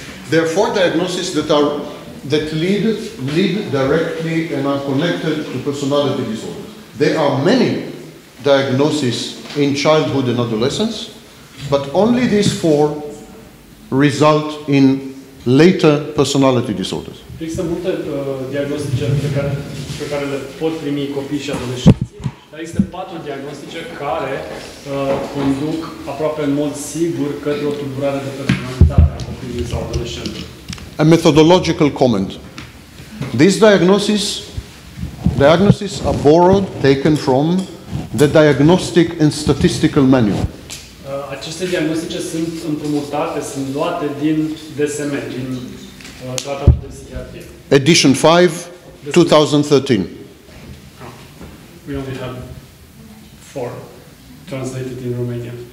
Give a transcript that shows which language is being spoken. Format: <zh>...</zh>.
<en>There are four diagnoses that lead directly and are connected to personality disorders. There are many diagnoses in childhood and adolescence, but only these four result in later personality disorders.</en> <ro>Există multe diagnostice pe care le pot primi copii și adolescenții, dar există patru diagnostice care conduc aproape în mod sigur către o tulburare de personalitate a copiilor sau adolescenților.</ro> <en>A methodological comment. These diagnoses are borrowed, taken from the diagnostic and statistical manual.</en> <ro>Aceste diagnostice sunt împrumutate, sunt luate din DSM, din tratatul de psihiatrie.</ro> <en>Edition 5, 2013. We only have four translated in Romanian.</en>